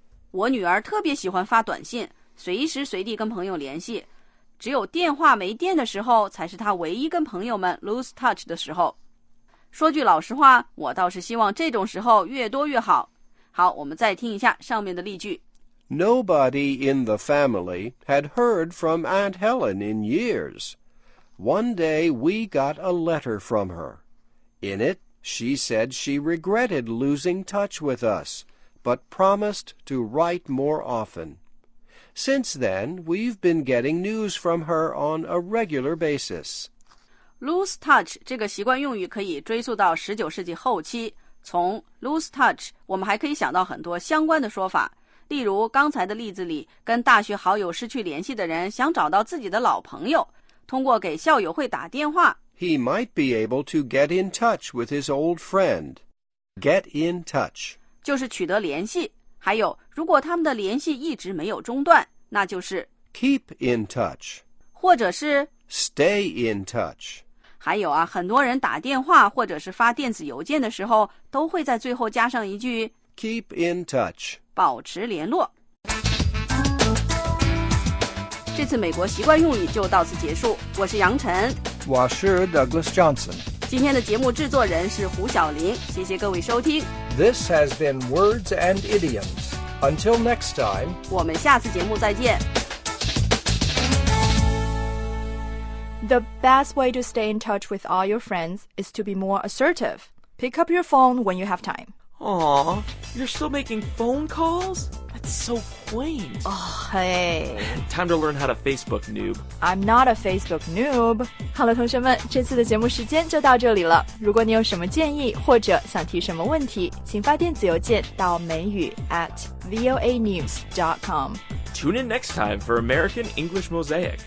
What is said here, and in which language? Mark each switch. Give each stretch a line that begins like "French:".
Chinese: 我女儿特别喜欢发短信，随时随地跟朋友联系，只有电话没电的时候才是她唯一跟朋友们
English: lose touch
Chinese: 的时候。说句老实话，我倒是希望这种时候越多越好。好，我们再听一下上面的例句。
English: Nobody in the family had heard from Aunt Helen in years. One day we got a letter from her. In it, she said she regretted losing touch with us, but promised to write more often. Since then, we've been getting news from her on a regular basis.
Chinese: Lose touch 这个习惯用语可以追溯到19世纪后期。从 lose touch, 我们还可以想到很多相关的说法。例如刚才的例子里，跟大学好友失去联系的人想找到自己的老朋友，通过给校友会打电话。
English: He might be able to get in touch with his old friend. Get in touch.
Chinese: 就是取得联系。还有，如果他们的联系一直没有中断，那就是
English: Keep in touch.
Chinese: 或者是
English: Stay in touch.
Chinese: 还有啊，很多人打电话或者是发电子邮件的时候，都会在最后加上一句
English: Keep in touch.
Chinese: 保持联络。这次美国习惯用语就到此结束，我是杨晨，我是 Douglas Johnson。今天的节目制作人是胡晓玲，谢谢各位收听。
English: This has been Words and Idioms. Until next time.
Chinese: 我们下次节目再见。
English: The best way to stay in touch with all your friends is to be more assertive. Pick up your phone when you have time. Aww, you're still making phone calls? That's so quaint. Oh, hey. Time to learn how to Facebook noob. I'm not a Facebook noob.
Chinese: 好了，同学们，这次的节目时间就到这里了。如果你有什么建议或者想提什么问题，请发电子邮件到美语@voanews.com.
English: Tune in next time for American English Mosaic.